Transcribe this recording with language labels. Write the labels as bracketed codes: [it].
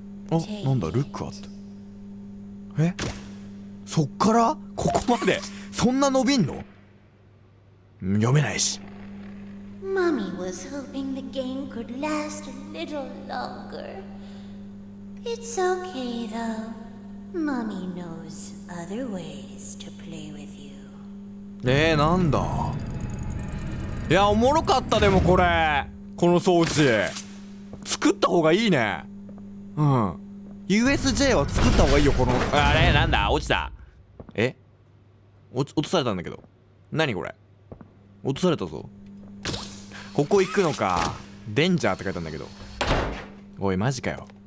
[ja] お、なんだ、 [en] ルックアット。 [ja] え、そっからここまでそんな伸びんの、読めないし。 [en] マミー was hoping the game could last a little longer. It's okay though. Mommy knows other ways to play with you. [ja] なんだ、いや、おもろかった。でもこれ、この装置作った方がいいね。うん、 USJ は作った方がいいよ。このあれなんだ、落ちた。え、落とされたんだけど。何これ、落とされたぞ。ここ行くのか。デンジャーって書いたんだけど。おい、マジかよ。